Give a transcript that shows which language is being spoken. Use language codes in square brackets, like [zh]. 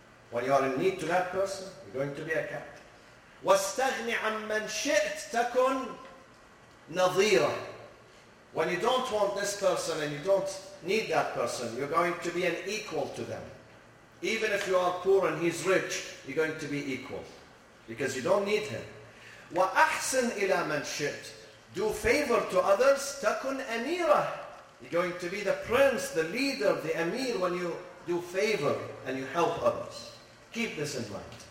[en] When you are in need to that person, you're going to be a captive. [ar] واستغني عن من شئت تكن نظيرا. [en] When you don't want this person and you don't need that person, you're going to be an equal to them. Even if you are poor and he's rich, you're going to be equal. Because you don't need him. [ar] وَأَحْسِنْ إِلَى مَنْ شِئْتْ. [en] Do favor to others, [ar] تَكُنْ أَمِيرًا. [en] You're going to be the prince, the leader, the emir when you do favor and you help others. Keep this in mind.